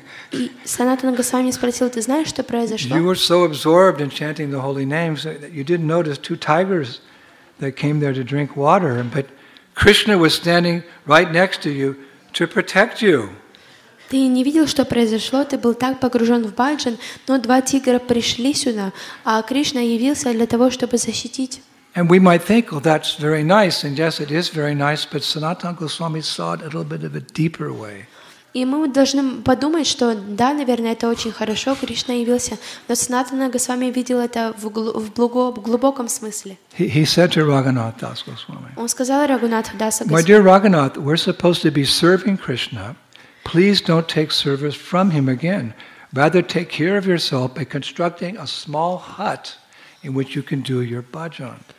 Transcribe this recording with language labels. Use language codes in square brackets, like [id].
[ru] И Санатана Госвами спросил, ты знаешь, что произошло? [en] You were so absorbed in chanting the holy names that you didn't notice two tigers that came there to drink water, but Krishna was standing right next to you to protect you. [ru] Ты не видел, что произошло? Ты был так погружен в бхаджан, но два тигра пришли сюда, а Кришна явился для того, чтобы защитить. [en] And we might think, "Oh, that's very nice," and yes, it is very nice. But Sanatana Goswami saw it a little bit of a deeper way. [ru] И мы должны подумать, что да, наверное, это очень хорошо, Кришна явился, но Санатана Госвами видел это в глубоком смысле. [en] He said to Raghunath Das Goswami. [ru] Он сказал Рагунатху Даса Госвами. [en] My dear Raghunath, we're supposed to be serving Krishna. Please don't take service from him again. Rather, take care of yourself by constructing a small hut in which you can do your bhajan.